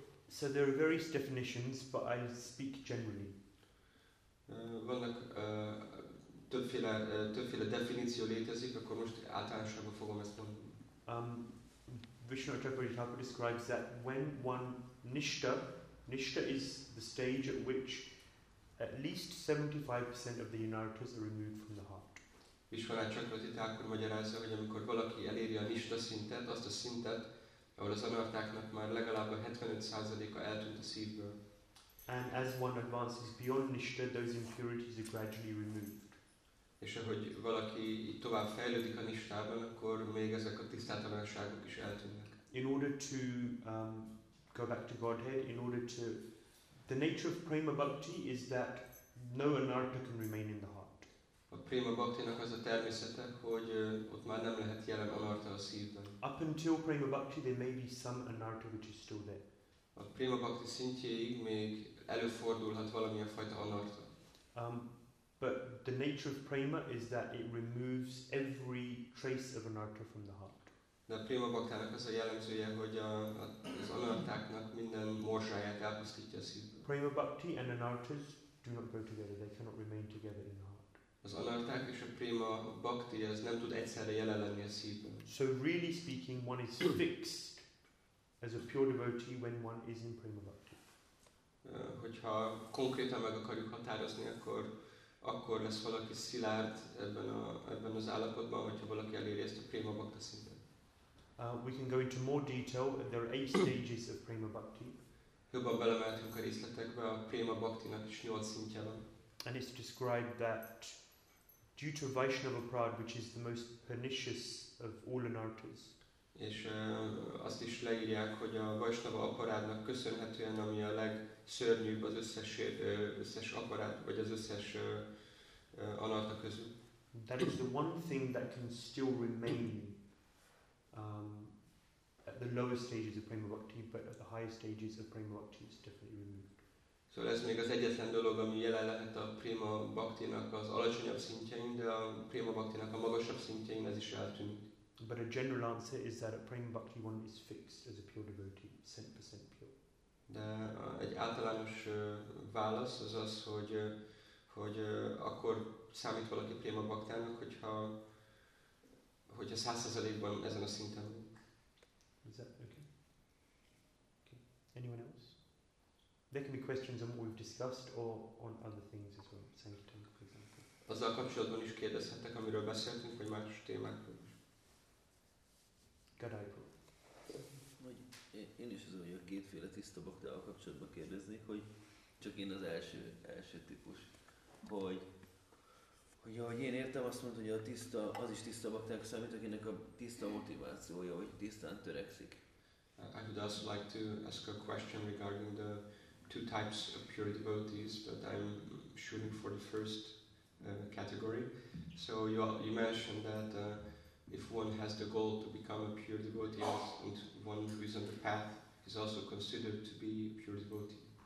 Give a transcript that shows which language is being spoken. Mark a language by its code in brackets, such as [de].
[en] So there are various definitions, but I speak generally. [hu] Vannak többféle definíció létezik, akkor most általánosságban fogom ezt mondani. [en] Vishnu Acharya Thakur describes that when one nishta is the stage at which at least 75% of the inaritas are removed from the heart. [hu] Viswanath Chakravarti Thakur magyarázza, hogy amikor valaki eléri a nishta szintet, azt a szintet, ahol az anartáknak már legalább a 75%-a eltűnt a szívből. [en] And as one advances beyond nishta, those impurities are gradually removed. [hu] És ahogy valaki tovább fejlődik a nishtában, akkor még ezek a tisztátalanságok is eltűnnek. [en] In order to go back to Godhead, in order to... The nature of prema bhakti is that no anarta can remain in the heart. [hu] A Prima Bhakti-nak az a természete, hogy ott már nem lehet jelen anarta a szívben. [en] Up until Prima Bhakti, there may be some anarta which is still there. [hu] A Prima Bhakti szintjéig még előfordulhat valamilyen fajta anarta. [en] But the nature of Prima is that it removes every trace of anarta from the heart. [hu] De a Prima Bhakti-nak az a jellemzője, hogy az anartáknak minden morzsáját elpusztítja a szívből. [en] Prima Bhakti and anartas do not go together, they cannot remain together in the heart. [hu] Az anarták és a prima bhakti az nem tud egyszerre jelen lenni a szívben. [en] So really speaking, one is fixed as a pure devotee when one is in prima bhakti. [hu] Hogyha konkrétan meg akarjuk határozni, akkor lesz valaki szilárd ebben az állapotban, hogyha valaki eléri ezt a prima bhakti szintet. [en] We can go into more detail. There are 8 stages of prima bhakti. [hu] Jobban belemeltünk a részletekbe, a prima bhaktinak is 8 szintje van. [en] And it's described that due to Vaishnava Prad, which is the most pernicious of all anartas. [hu] És azt is leírják, hogy a Vaishnava aparádnak köszönhetően, ami a legszörnyűbb az összes aparád, vagy az összes anarta közül. [en] That is the one thing that can still remain at the lowest stages of Prema Bhakti, but at the highest stages of Prema Bhakti is definitely removed. [hu] Szóval ez még az egyetlen dolog, ami jelen lehet a Prima Bhakti-nak az alacsonyabb szintjein, de a Prima Bhakti-nak a magasabb szintjein ez is eltűnik. [en] But a general answer is that a Prem Bhakti one is fixed as a pure devotee, 100% pure. [hu] De egy általános válasz az az, hogy akkor számít valaki Prema Bhaktának, hogyha 100%-ban ezen a szinten. [en] Is that okay? Okay. Anyone else? There can be questions on what we've discussed or on other things as well. Sankirtan, for example. [hu] Azzal kapcsolatban is kérdezhettek, amiről beszéltünk, vagy más témákról. Vagy én is az, hogy a kétféle tiszta baktával kapcsolatban kérdeznék, hogy csak én az első típus, hogy ahogy én értem, azt mondta, hogy a tiszta, az is tiszta bakták számít, akinek a tiszta motivációja, hogy tisztán törekszik. [en] I would also like to ask a question regarding the two types of pure devotees, but I'm shooting for the first category. So you mentioned that if one has the goal to become a pure devotee and one who is on the path is also considered to be a pure devotee.